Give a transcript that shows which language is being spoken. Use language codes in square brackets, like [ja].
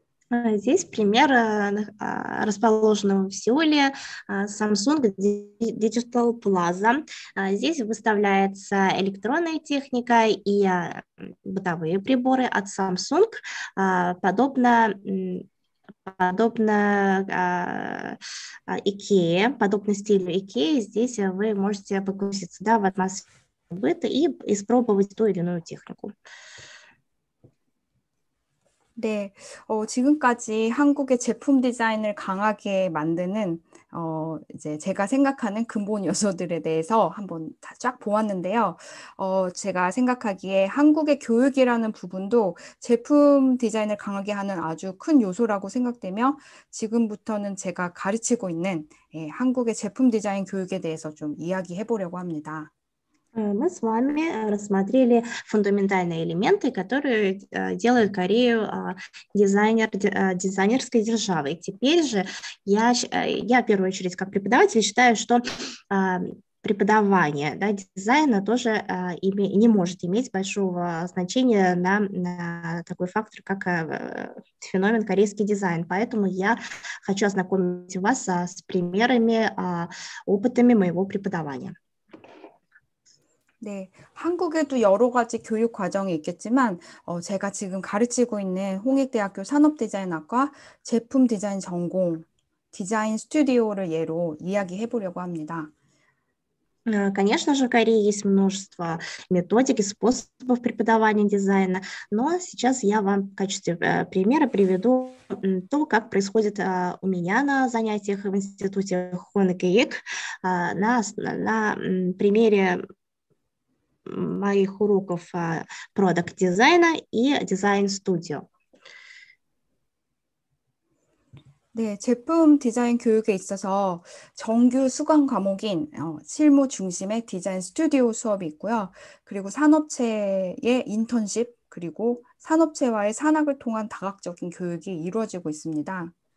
[ru] Здесь пример расположенного в Сеуле Samsung Digital Plaza. Здесь выставляется электронная техника и бытовые приборы от Samsung, подобно стилю IKEA. Здесь вы можете погрузиться, да, в атмосферу быта и испробовать ту или иную технику. [ko] 네, 지금까지 한국의 제품 디자인을 강하게 만드는 이제 제가 생각하는 근본 요소들에 대해서 한번 쫙 보았는데요. 제가 생각하기에 한국의 교육이라는 부분도 제품 디자인을 강하게 하는 아주 큰 요소라고 생각되며 지금부터는 제가 가르치고 있는 한국의 제품 디자인 교육에 대해서 좀 이야기해 보려고 합니다. [ru] Мы с вами рассмотрели фундаментальные элементы, которые делают Корею дизайнерской державой. Теперь же я в первую очередь как преподаватель считаю, что преподавание, да, дизайна тоже не может иметь большого значения на такой фактор, как феномен корейский дизайн. Поэтому я хочу ознакомить вас с примерами, опытами моего преподавания. [ko] 네, 한국에도 여러 가지 교육 과정이 있겠지만 제가 지금 가르치고 있는 홍익대학교 산업디자인학과 제품 디자인 전공 디자인 스튜디오를 예로 이야기해 보려고 합니다. [ru] Конечно же, в Корее есть множество методик и способов преподавания дизайна, но сейчас я вам в качестве примера приведу то, как происходит у меня на занятиях в институте Хонгвик на примере моих уроков продукт дизайна и дизайн студио. [ko] 네, 제품 디자인 교육에 있어서 정규 수강 과목인 실무 중심의 디자인 스튜디오 수업이 있고요. 그리고 산업체의 인턴십, 그리고 산업체와의 산학을 통한 다각적인 교육이 이루어지고 있습니다.